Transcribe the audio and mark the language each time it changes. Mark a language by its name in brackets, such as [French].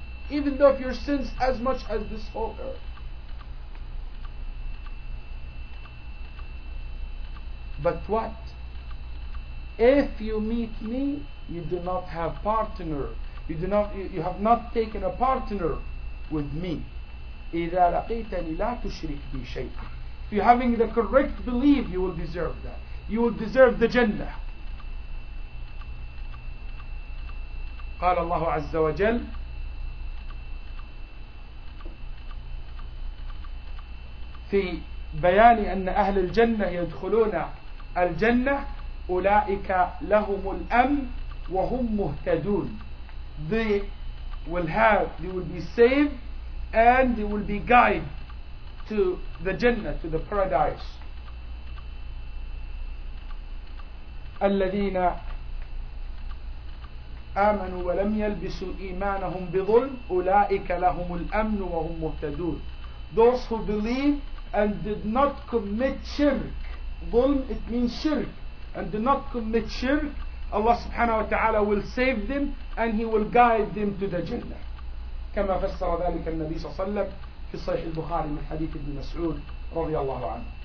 [English] Even though your sins as much as this whole earth. But what? If you meet me, you do not have partner. You do not. You have not taken a partner with me. [Arabic] إذا لقيتني لا تشرك بي شيئا. [English] If you're having the correct belief, you will deserve that. You will deserve the Jannah. [Arabic] قال الله عز وجل في بيان أن أهل الجنة يدخلون الجنة أولئك لهم الأمن وهم مهتدون. [English] They will be saved and they will be guided to the Jannah, to the paradise. [Arabic] الذين آمنوا ولم يلبسوا إيمانهم بظلم أولئك لهم الأمن وهم مهتدون. [English] Those who believe and did not commit shirk. Dhulm, it means shirk. And did not commit shirk, Allah subhanahu wa ta'ala will save them and He will guide them to the Jannah. [Arabic] كما فسر ذلك النبي صلى الله عليه وسلم في صحيح البخاري من حديث ابن مسعود رضي الله عنه.